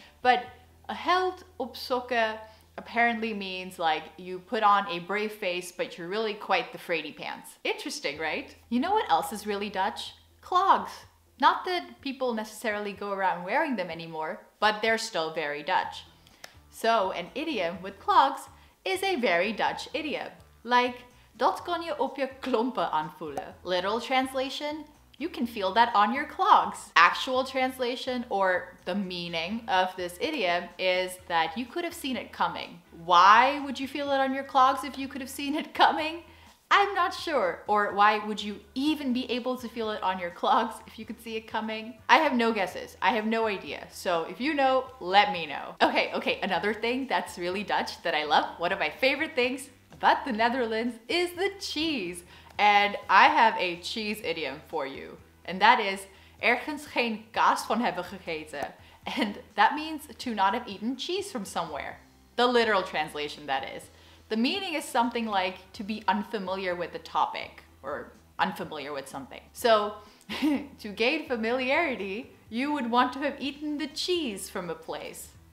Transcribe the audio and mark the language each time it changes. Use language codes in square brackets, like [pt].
[en] But a [nl] held op sokken [en] apparently means like you put on a brave face, but you're really quite the fraidy pants. Interesting, right? You know what else is really Dutch? Clogs. Not that people necessarily go around wearing them anymore, but they're still very Dutch. So an idiom with clogs is a very Dutch idiom. Like, [nl] dat kon je op je klompen aanvoelen. [en] Literal translation, you can feel that on your clogs. Actual translation, or the meaning of this idiom, is that you could have seen it coming. Why would you feel it on your clogs if you could have seen it coming? I'm not sure. Or why would you even be able to feel it on your clogs if you could see it coming? I have no guesses. I have no idea. So if you know, let me know. Okay, another thing that's really Dutch that I love, one of my favorite things about the Netherlands, is the cheese. And I have a cheese idiom for you. And that is [nl] ergens geen kaas van hebben gegeten. [en] And that means to not have eaten cheese from somewhere. The literal translation, that is. The meaning is something like to be unfamiliar with the topic or unfamiliar with something. So to gain familiarity, you would want to have eaten the cheese from a place.